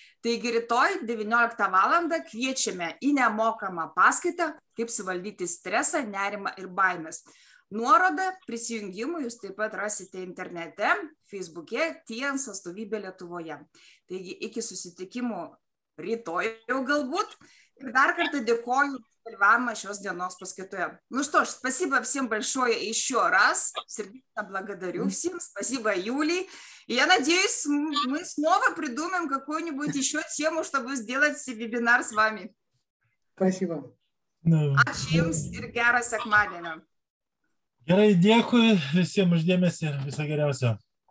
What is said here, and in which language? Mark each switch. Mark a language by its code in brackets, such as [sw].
[lt] Taigi rytoj 19 valandą kviečiame į nemokamą paskaitą, kaip suvaldyti stresą, nerimą ir baimės. Nuorodą prisijungimui jūs taip pat rasite internete, Facebook'e, TNS atstovybė Lietuvoje. Taigi iki susitikimų rytoj jau galbūt. Ir dar kartą dėkoju. Dalyvavimą šios dienos paskaitoje. [ru] Nu što ж, спасибо всем большое еще раз. Сердечно благодарю всем. Спасибо, Юлии. Я надеюсь, мы снова придумаем какую-нибудь еще тему, чтобы сделать вебинар с вами. Спасибо. [lt] Ačiū jums ir gero sekmadienio. Gerai, dėkui. Visiems už dėmesį. Viso geriausio.